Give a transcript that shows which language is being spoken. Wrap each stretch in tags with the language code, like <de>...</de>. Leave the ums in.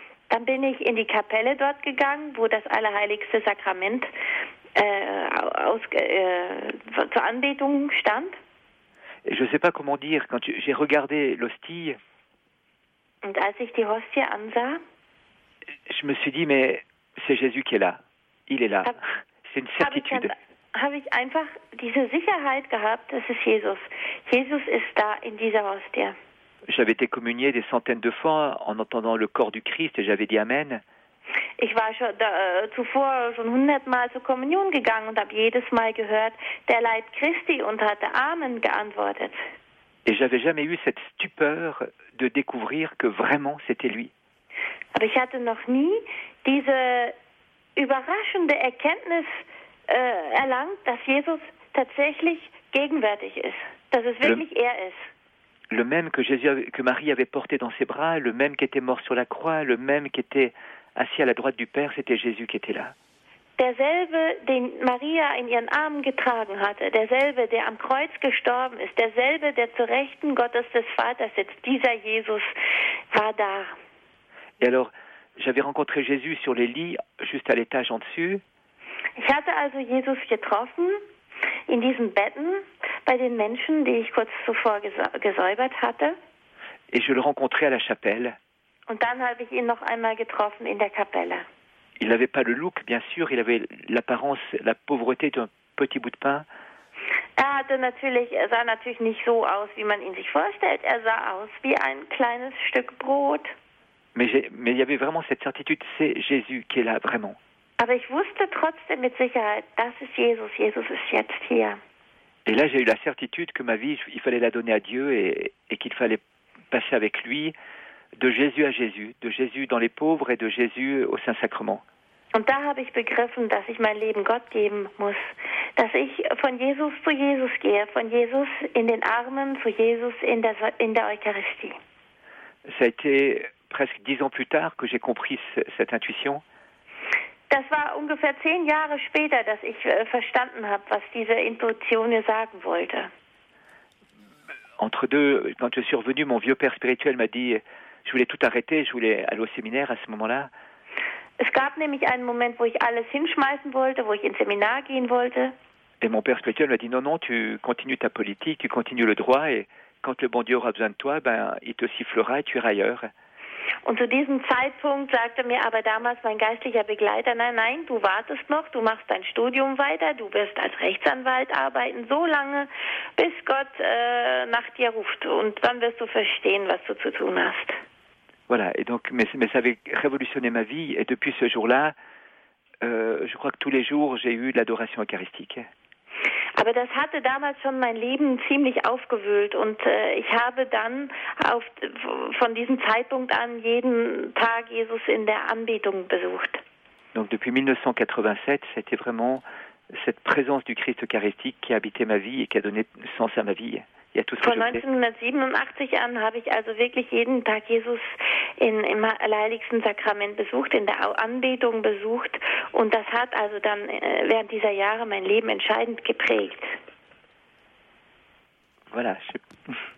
<de>Dann bin ich in die Kapelle dort gegangen, wo das allerheiligste Sakrament äh, aus, äh, zur Anbetung stand.</de> <fr>Et je ne sais pas comment dire, quand tu- j'ai regardé l'hostie,</fr> <de>Und als ich die Hostie ansah,</de> <fr>je me suis dit, mais c'est Jésus qui est là. Il est là. Ah. C'est une</fr> <de>habe ich ganz,</de> <fr>certitude.</fr> <de>habe ich einfach diese Sicherheit gehabt, das ist Jesus. Jesus ist da in dieser Hostie.</de> <fr>J'avais été communié des centaines de fois en entendant le corps du Christ et j'avais dit Amen.</fr> <de>Ich war schon da, äh, zuvor schon hundertmal zur Kommunion gegangen und habe jedes Mal gehört, der Leid Christi und hatte Amen geantwortet.</de> <fr>Et j'avais jamais eu cette stupeur de découvrir que vraiment c'était lui.</fr> <de>Aber ich hatte noch nie diese überraschende Erkenntnis äh, erlangt, dass Jesus tatsächlich gegenwärtig ist, dass es wirklich er ist.</de> <fr>Le même que, Jésus, que Marie avait porté dans ses bras, le même qui était mort sur la croix, le même qui était assis à la droite du Père, c'était Jésus qui était là.</fr> <de>Derselbe, den Maria in ihren Armen getragen hatte, derselbe, der am Kreuz gestorben ist, derselbe, der zur Rechten Gottes des Vaters sitzt, dieser Jesus war da.</de> <fr>Et alors, j'avais rencontré Jésus sur les lits, juste à l'étage en dessus.</fr> <de>Ich hatte also Jesus getroffen in diesen Betten bei den Menschen, die ich kurz zuvor gesäubert hatte.</de> <fr>Et je le rencontrais à la chapelle.</fr> <de>Und dann habe ich ihn noch einmal getroffen in der Kapelle.</de> <fr>Il n'avait pas le look, bien sûr, il avait l'apparence, la pauvreté d'un petit bout de pain.</fr> <de>Er hatte natürlich, er sah natürlich nicht so aus, wie man ihn sich vorstellt. Er sah aus wie ein kleines Stück Brot.</de> <fr>Mais, j'ai- mais il y avait vraiment cette certitude, c'est Jésus qui est là, vraiment.</fr> <de>Aber ich wusste trotzdem mit Sicherheit, das ist Jesus. Jesus ist jetzt hier.</de> <fr>Et là, j'ai eu la certitude que ma vie, je- il fallait la donner à Dieu et, et qu'il fallait passer avec lui de Jésus à Jésus, de Jésus dans les pauvres et de Jésus au Saint-Sacrement.</fr> <de>Und da habe ich begriffen, dass ich mein Leben Gott geben muss, dass ich von Jesus zu Jesus gehe, von Jesus in den Armen zu Jesus in der, in der Eucharistie.</de> <fr>Ça a été presque dix ans plus tard que j'ai compris ce- cette intuition.</fr> <de>Das war ungefähr zehn Jahre später, dass ich äh, verstanden habe, was diese Intuition mir sagen wollte.</de> <fr>Entre deux, quand je suis revenu, mon vieux père spirituel m'a dit, je voulais tout arrêter, je voulais aller au séminaire à ce moment-là.</fr> <de>Es gab nämlich einen Moment, wo ich alles hinschmeißen wollte, wo ich ins Seminar gehen wollte.</de> <fr>Et mon père spirituel m'a dit, non, non, tu continues ta politique, tu continues le droit et quand le bon Dieu aura besoin de toi, ben, il te sifflera et tu iras ailleurs.</fr> <de>Und zu diesem Zeitpunkt sagte mir aber damals mein geistlicher Begleiter, nein, nein, du wartest noch, du machst dein Studium weiter, du wirst als Rechtsanwalt arbeiten, so lange, bis Gott äh, nach dir ruft. Und dann wirst du verstehen, was du zu tun hast.</de> <fr>Voilà, et donc, mais, mais ça avait révolutionné ma vie, et depuis ce jour-là, euh, je crois que tous les jours, j'ai eu de l'adoration eucharistique.</fr> <de>Aber das hatte damals schon mein Leben ziemlich aufgewühlt und äh, ich habe dann auf, von diesem Zeitpunkt an jeden Tag Jesus in der Anbetung besucht.</de> <fr>Donc, depuis 1987, c'était vraiment cette présence du Christ eucharistique qui a habité ma vie et qui a donné sens à ma vie et à tout ce que</fr> <de>Von</de> <fr>je faisais.</fr> <de>1987 an habe ich also wirklich jeden Tag Jesus in, im Allerheiligsten Sakrament besucht, in der Au- Anbetung besucht und das hat also dann äh, während dieser Jahre mein Leben entscheidend geprägt.</de> <fr>Voilà, je-</fr>